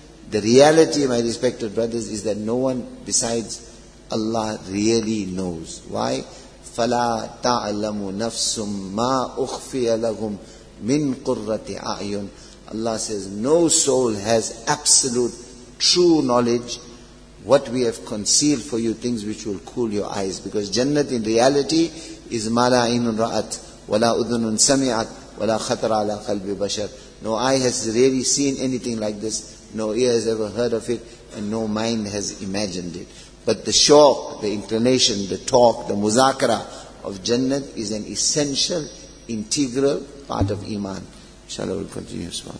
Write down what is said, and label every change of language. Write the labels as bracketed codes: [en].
[en] The reality, my respected brothers, is that no one besides Allah really knows. Why? [ar] فَلَا تَعْلَمُ نَفْسٌ مَا أُخْفِيَ لَهُمْ مِنْ قُرَّةِ أَعْيُنٍ. [en] Allah says, no soul has absolute true knowledge what we have concealed for you, things which will cool your eyes. Because Jannat in reality is [ar] مَا لَا عِنٌ رَأَتْ وَلَا أُذُنٌ سَمِعَتْ وَلَا خَطْرَ عَلَى قَلْبِ بَشَرٍ. [en] No eye has really seen anything like this, no ear has ever heard of it, and no mind has imagined it. But the shock, the inclination, the talk, the muzakara of Jannat is an essential, integral part of Iman. Inshallah, we'll continue.